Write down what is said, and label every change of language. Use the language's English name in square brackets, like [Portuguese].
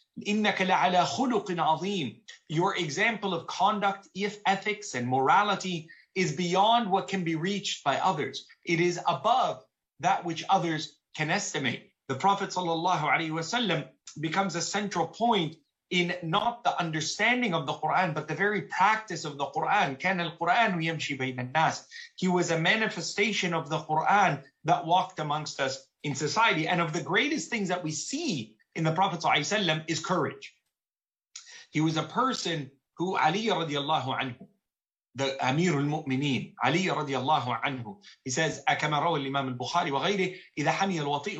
[Arabic] Innaka la'ala khuluqin azim. [English] Your example of conduct, if ethics and morality, is beyond what can be reached by others. It is above that which others can estimate. The Prophet sallallahu alaihi wasallam becomes a central point in not the understanding of the Quran, but the very practice of the Quran. [Arabic] كان القرآن يمشي بين الناس. [English] He was a manifestation of the Quran that walked amongst us in society. And of the greatest things that we see in the Prophet sallallahu alaihi wasallam is courage. He was a person who Ali radiallahu anhu, the Amir al-Mu'mineen, Ali radiallahu anhu, he says, [Arabic] أَكَمَا رَوَى الْإِمَامِ الْبُخَارِ وَغَيْرِهِ إِذَا حَمِيَ الْوَطِيءُ.